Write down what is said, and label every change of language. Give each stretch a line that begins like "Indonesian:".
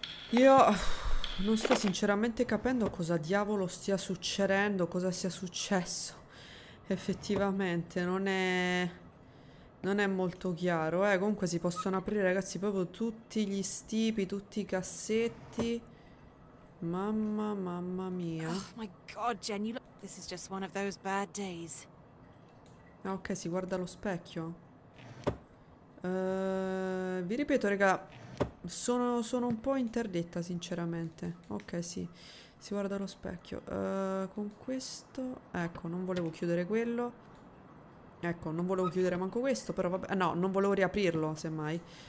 Italian: Io non sto sinceramente capendo cosa diavolo stia succedendo, cosa sia successo. Effettivamente, non è molto chiaro. Comunque si possono aprire, ragazzi, proprio tutti gli stipi, tutti i cassetti. Mamma mia.
English: Oh my God, Jen, this is just one of those bad days.
Italian: Ok, si guarda lo specchio. Vi ripeto, raga, sono un po' interdetta, sinceramente. Ok, sì, si guarda lo specchio. Con questo, ecco, non volevo chiudere quello. Ecco, non volevo chiudere manco questo, però vabbè. No, non volevo riaprirlo, semmai.